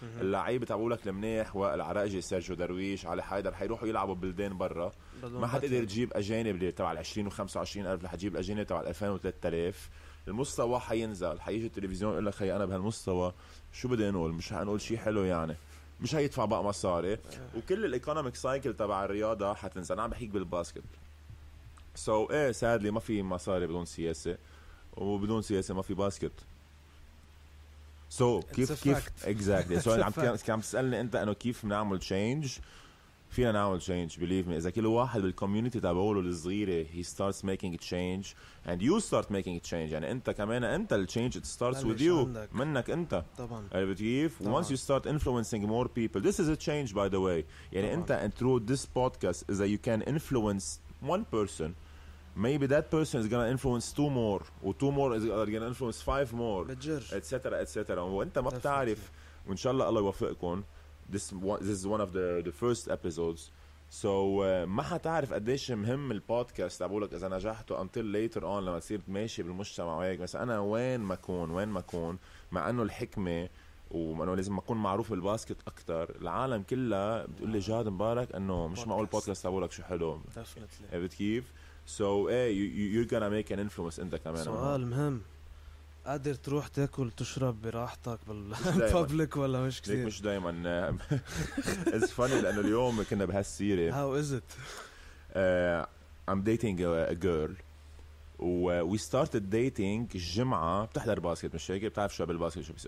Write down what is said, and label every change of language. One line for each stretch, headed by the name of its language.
Arabic: اللعيبه تبعولك المنيح والعراجي سيرجيو درويش على حيدر حيروحوا يلعبوا بلدان برا، ما حتقدر تجيب اجانب تبع ال 20 و25 ألف، رح تجيب اجانب تبع 2000 و3000، المستوى حينزل، حيجي التلفزيون يقول لك خي انا بهالمستوى شو بدي نقول، مش حنقول شيء حلو يعني، مش هيدفع بقى مصاري، وكل الايكونوميك سايكل تبع الرياضه حتنزل. عم بحكي بالباسكت. سو ايه سادلي ما في مصاري بدون سياسه، وبدون سياسه ما في باسكت. سو كيف exactly. سو عم تسالني انت انه كيف بنعمل تشينج، فينا نعمل
English: change believe me.
Arabic: إذا كل واحد بالcommunity تبعوله الصغيرة
English: he starts making a change and you start making a change.
Arabic: يعني أنت كمان أنت ال change
English: it starts with you
Arabic: عندك. منك أنت. طبعاً. عرفت كيف؟
English: Once you start influencing more people, this is a change by the way.
Arabic: يعني طبعاً.
English: أنت through this podcast is that you can influence one person. Maybe that person is gonna influence two more, or two more is gonna influence five more, etc.
Arabic: etc. وأنت ما بتعرف. وإن شاء الله الله يوفقكم.
English: This is one of the first episodes.
Arabic: So ما حتعرف قديش مهم البودكاست أقولك إذا نجحته
English: until later on
Arabic: لما تصير ماشي بالمجتمع وياك. بس أنا وين ما كون مع إنه الحكمة وإنه لازم ما أكون معروف بالباسكت أكتر العالم كله بتقول لي جاد مبارك إنه مش معقول البودكاست أقولك شو حلو.
English: Definitely.
Arabic: عرفت كيف؟
English: So you're gonna make an influence
Arabic: أنت كمان. سؤال مهم. قادر تروح تاكل تشرب براحتك بالببليك ولا مش كثير؟ ليك مش دايما.
English: It's funny
Arabic: لأنه اليوم كنا بهالسيرة.
English: How is it? I'm dating a girl. We started dating
Arabic: الجمعة بتحضر باسكت مش هيك؟ بتعرف شو بالباسكت شو بس.